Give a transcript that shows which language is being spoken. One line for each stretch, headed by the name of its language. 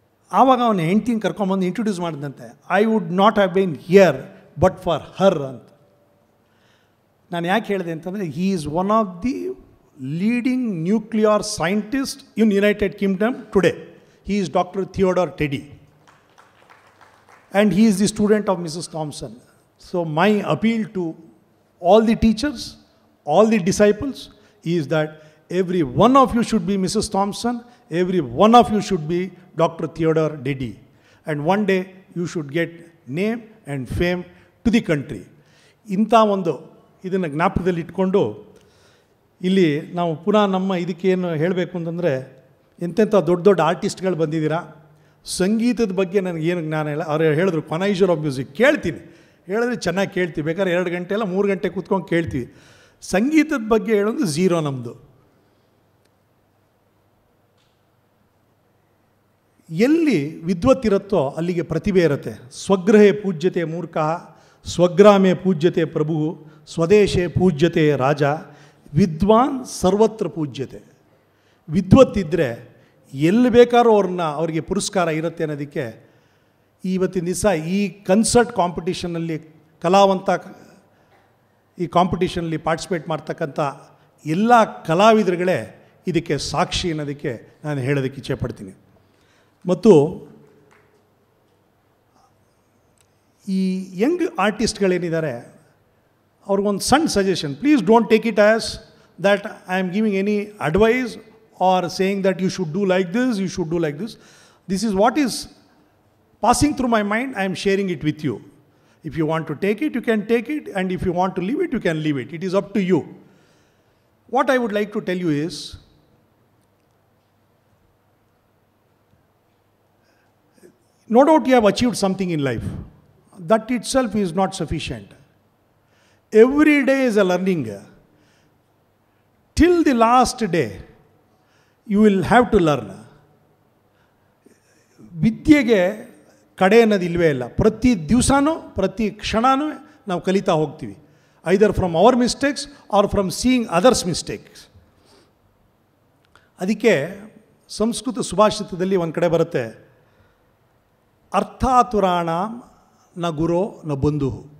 Kannada: ಆವಾಗ ಅವನು ಹೆಂಡ್ತಿನ ಕರ್ಕೊಂಬಂದು ಇಂಟ್ರೊಡ್ಯೂಸ್ ಮಾಡಿದಂತೆ,
English: I would not have been here but for her
Kannada: ಅಂತ. ನಾನು ಯಾಕೆ ಹೇಳಿದೆ ಅಂತಂದರೆ
English: He is one of the leading nuclear scientist in United Kingdom today. He is Dr. Theodore Teddy and he is the student of Mrs. Thompson. So my appeal to all the teachers, all the disciples is that every one of you should be Mrs. Thompson, every one of you should be Dr. Theodore Teddy, and one day you should get name and fame to the country.
Kannada: Inta ondu idanna gnapadalli ittkondo illi naavu puna namma idike enu helbeku antandre ಎಂತೆಂಥ ದೊಡ್ಡ ದೊಡ್ಡ ಆರ್ಟಿಸ್ಟ್ಗಳು ಬಂದಿದ್ದೀರಾ, ಸಂಗೀತದ ಬಗ್ಗೆ ನನಗೇನು ಜ್ಞಾನ ಇಲ್ಲ. ಅವ್ರು ಹೇಳಿದ್ರು ಕೊನೈಜರ್ ಆಫ್ ಮ್ಯೂಸಿಕ್ ಕೇಳ್ತೀನಿ, ಹೇಳಿದ್ರೆ ಚೆನ್ನಾಗಿ ಕೇಳ್ತೀವಿ, ಬೇಕಾದ್ರೆ 2 ಗಂಟೆ ಇಲ್ಲ 3 ಗಂಟೆ ಕೂತ್ಕೊಂಡು ಕೇಳ್ತೀವಿ. ಸಂಗೀತದ ಬಗ್ಗೆ ಹೇಳೋದು 0 ನಮ್ಮದು. ಎಲ್ಲಿ ವಿದ್ವತ್ತಿರುತ್ತೋ ಅಲ್ಲಿಗೆ ಪ್ರತಿಭೆ ಇರುತ್ತೆ.
Sanskrit: ಸ್ವಗ್ರಹೇ ಪೂಜ್ಯತೆ ಮೂರ್ಖ, ಸ್ವಗ್ರಾಮೇ ಪೂಜ್ಯತೆ ಪ್ರಭು, ಸ್ವದೇಶೇ ಪೂಜ್ಯತೆ ರಾಜ, ವಿದ್ವಾನ್ ಸರ್ವತ್ರ ಪೂಜ್ಯತೆ.
Kannada: ವಿದ್ವತ್ತಿದ್ದರೆ ಎಲ್ಲಿ ಬೇಕಾದ್ರೂ ಅವರಿಗೆ ಪುರಸ್ಕಾರ ಇರುತ್ತೆ ಅನ್ನೋದಕ್ಕೆ ಇವತ್ತಿನ ದಿವಸ ಈ ಕನ್ಸರ್ಟ್ ಕಾಂಪಿಟೀಷನಲ್ಲಿ ಕಲಾವಂತ ಈ ಕಾಂಪಿಟೀಷನಲ್ಲಿ ಪಾರ್ಟಿಸಿಪೇಟ್ ಮಾಡ್ತಕ್ಕಂಥ ಎಲ್ಲ ಕಲಾವಿದರುಗಳೇ ಇದಕ್ಕೆ ಸಾಕ್ಷಿ ಅನ್ನೋದಕ್ಕೆ ನಾನು ಹೇಳೋದಕ್ಕೆ ಇಚ್ಛೆ ಪಡ್ತೀನಿ. ಮತ್ತು ಈ ಯಂಗ್ ಆರ್ಟಿಸ್ಟ್ಗಳೇನಿದ್ದಾರೆ ಅವ್ರಿಗೊಂದು ಸಣ್ಣ suggestion,
English: Please don't take it as that I am giving any advice or saying that you should do like this, you should do like this. This is what is passing through my mind, I am sharing it with you. If you want to take it, you can take it, and if you want to leave it, you can leave it. It is up to you. What I would like to tell you is, no doubt you have achieved something in life. That itself is not sufficient. Every day is a learning. Till the last day, you will have to learn.
Kannada: ವಿದ್ಯೆಗೆ ಕಡೆ ಅನ್ನೋದು ಇಲ್ಲವೇ ಇಲ್ಲ. ಪ್ರತಿ ದಿವಸನೂ ಪ್ರತಿ ಕ್ಷಣನೂ ನಾವು ಕಲಿತಾ ಹೋಗ್ತೀವಿ,
English: Either from our mistakes or from seeing others mistakes.
Kannada: ಅದಕ್ಕೆ ಸಂಸ್ಕೃತ ಸುಭಾಷಿತದಲ್ಲಿ ಒಂದು ಕಡೆ ಬರುತ್ತೆ,
Sanskrit: ಅರ್ಥಾತುರಾಣಾಂ ನ ಗುರೋ ನ ಬಂಧು.